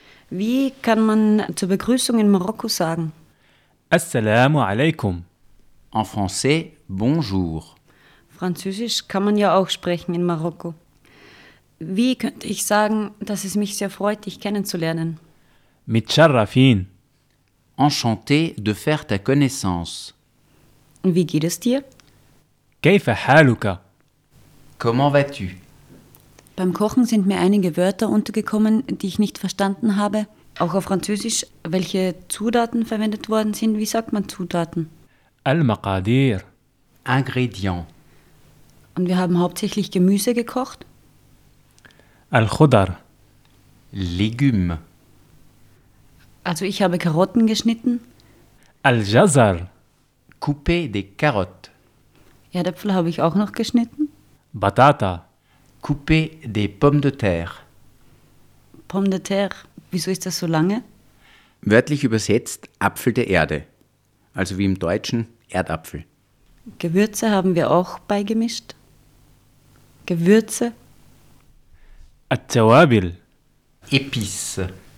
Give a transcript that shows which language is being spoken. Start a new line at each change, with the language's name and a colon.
German: Wie kann man zur Begrüßung in Marokko sagen?
Arabic: Assalamu alaikum.
French: En français, bonjour.
German: Französisch kann man ja auch sprechen in Marokko. Wie könnte ich sagen, dass es mich sehr freut, dich kennenzulernen?
Arabic: Mitscharrafin.
French: Enchanté de faire ta connaissance.
German: Wie geht es dir?
Arabic: Kayfa haluka.
French: Comment vas-tu?
German: Beim Kochen sind mir einige Wörter untergekommen, die ich nicht verstanden habe. Auch auf Französisch, welche Zutaten verwendet worden sind. Wie sagt man Zutaten?
Arabic: Al-Maqadir.
French: Ingredient.
German: Und wir haben hauptsächlich Gemüse gekocht.
Arabic: Al-Khudar.
French: Legume.
German: Also ich habe Karotten geschnitten.
Arabic: Al-Jazar.
French: Coupé des Carottes.
German: Erdäpfel habe ich auch noch geschnitten.
Arabic: Batata.
French: Coupé des Pommes de terre. Pommes de terre.
German: Wieso ist das so lange? Wörtlich übersetzt Apfel der Erde. Also wie im Deutschen Erdapfel. Gewürze haben wir auch beigemischt. Gewürze.
Arabic: At-tawabil.
French: Epice.